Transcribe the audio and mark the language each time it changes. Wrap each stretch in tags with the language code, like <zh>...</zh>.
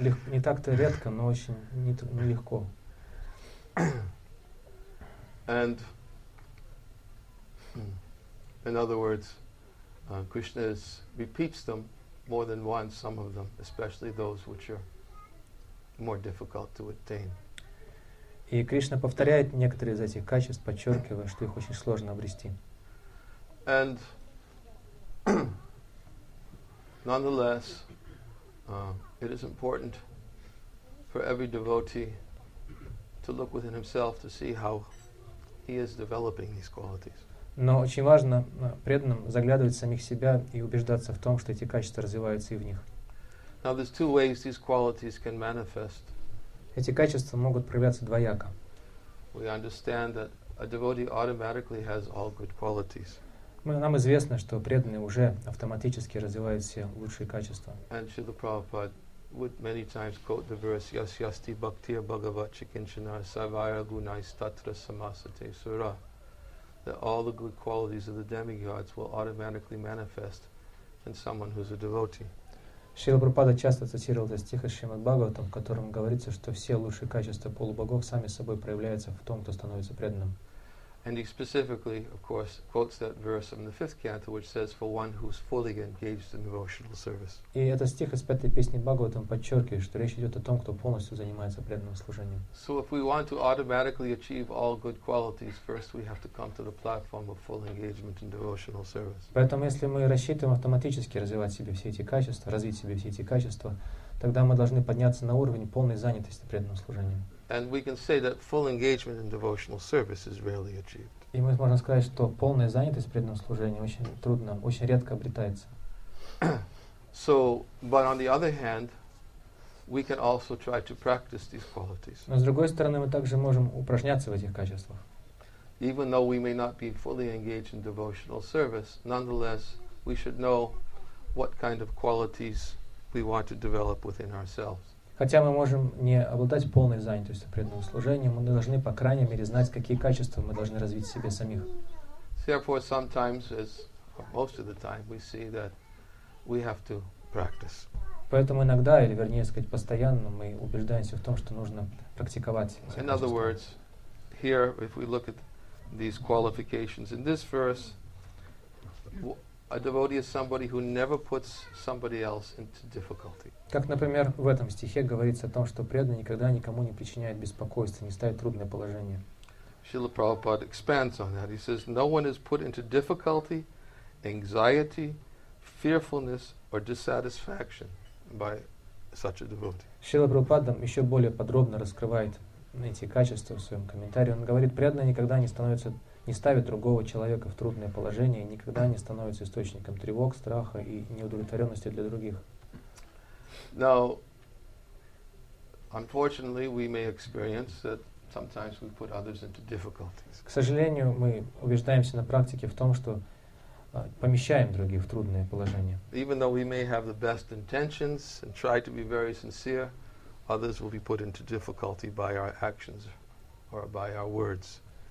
<ru>Не так-то редко, но очень нелегко.</ru> <en>And in other words, Krishna repeats them more than once, some of them, especially those which are more difficult to attain.</en> <ru>И Кришна повторяет некоторые из этих качеств, подчеркивая, что их очень сложно обрести.</ru> <en>And nonetheless, it is important for every devotee to look within himself to see how he is developing these qualities.</en> <ru>Но очень важно преданным заглядывать в самих себя и убеждаться в том, что эти качества развиваются и в них.</ru> <en>Now there's two ways these qualities can manifest.</en> <ru>Эти качества могут проявляться двояко.</ru> <en>We understand that a devotee automatically has all good qualities.</en> <ru>Нам известно, что преданные уже автоматически развивают все лучшие качества.</ru> <en>And Śrīla Prabhupāda would many times quote the verse</en> <sa>Yas Yasti Bhaktiya Bhagavat Chikinchana Savaya Gunai Statra Samasate Sura,</sa> <en>that all the good qualities of the demigods will automatically manifest in someone who's a devotee.</en> <ru>Шрила Прабхупада часто цитировал этот стих из Шримад Бхагаватам, в котором говорится, что все лучшие качества полубогов сами собой проявляются в том, кто становится преданным.</ru> <en>And he specifically, of course, quotes that verse from the fifth canto, which says, "For one who's fully engaged in devotional service."</en> <ru>И этот стих из пятой песни Бхагаватам подчеркивает, что речь идет о том, кто полностью занимается преданным служением.</ru> <en>So, if we want to automatically achieve all good qualities, first we have to come to the platform of full engagement in devotional service.</en> <ru>Поэтому, если мы рассчитываем автоматически развивать себе все эти качества, развить себе все эти качества, тогда мы должны подняться на уровень полной занятости преданным служением.</ru> <en>And we can say that full engagement in devotional service is rarely achieved.</en> <ru>И мы можем сказать, что полная занятость преданным служением очень трудно, очень редко обретается.</ru> <en>So, but on the other hand, we can also try to practice these qualities.</en> <ru>Но с другой стороны, мы также можем упражняться в этих качествах.</ru> <en>Even though we may not be fully engaged in devotional service, nonetheless, we should know what kind of qualities we want to develop within ourselves.</en> <ru>Хотя мы можем не обладать полной занятостью преданным служением, мы должны, по крайней мере, знать, какие качества мы должны развить в себе самих.</ru> <en>Therefore, sometimes, as most of the time, we see that we have to practice.</en> <ru>Поэтому иногда, или вернее сказать, постоянно мы убеждаемся в том, что нужно практиковать.</ru> <en>In other words, here, if we look at these qualifications in this verse, a devotee is somebody who never puts somebody else into difficulty.</en> <ru>Как, например, в этом стихе говорится о том, что преданный никогда никому не причиняет беспокойства, не ставит трудное положение.</ru> <en>Srila Prabhupada expands on that. He says, no one is put into difficulty, anxiety, fearfulness or dissatisfaction by such a devotee.</en> <ru>Srila Prabhupada еще более подробно раскрывает эти качества в своем комментарии. Он говорит, преданный никогда не ставит другого человека в трудное положение, никогда не становится источником тревог, страха и неудовлетворенности для других.</ru> <en>Now, unfortunately, we may experience that sometimes we put others into difficulties.</en> <ru>К сожалению, мы убеждаемся на практике в том, что помещаем других в трудное положение.</ru> <en>Even though we may have the best intentions and try to be very sincere, others will be put into difficulty by our actions or by our words.</en>